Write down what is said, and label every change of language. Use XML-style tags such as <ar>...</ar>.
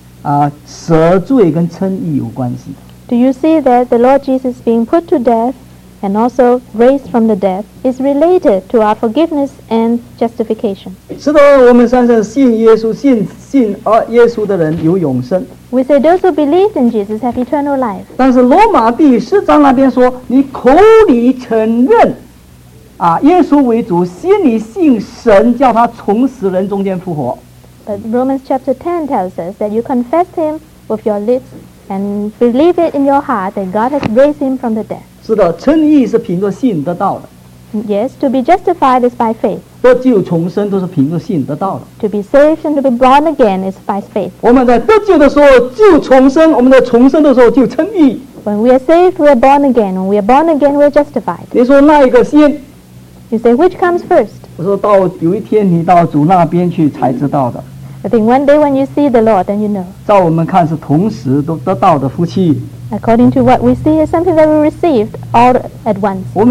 <zh>看见了吗？那个耶稣的为我们被交给人，跟为我们复活，是跟我们的赎罪跟称义有关系。</zh> <en>Do you see that the Lord Jesus being put to death and also raised from the dead is related to our forgiveness and justification?</en> <zh>是的，我们相信信耶稣的人有永生。</zh> <en>We say those who believe in Jesus have eternal life.</en> <zh>但是罗马第10章那边说，你口里承认，耶稣为主，心里信神叫他从死人中间复活。</zh> <en>But Romans chapter 10 tells us that you confess him with your lips and believe it in your heart that God has raised him from the dead.</en> <zh>是的，称义是凭着信得到的。</zh> <en>Yes, to be justified is by faith.</en> <zh>得救重生都是凭着信得到的。</zh> <en>To be saved and to be born again is by faith.</en> <zh>我们在得救的时候就重生，我们在重生的时候就称义。</zh> <en>When we are saved, we are born again. When we are born again, we are justified.</en> <zh>你说哪一个先？</zh> <en>You say which comes first?</en> <zh>我说到有一天你到主那边去才知道的。</zh> <en>I think one day when you see the Lord, then you know.</en> <zh>照我们看是同时都得到的福气。</zh> <en>According to what we see, is something that we received all at once.</en>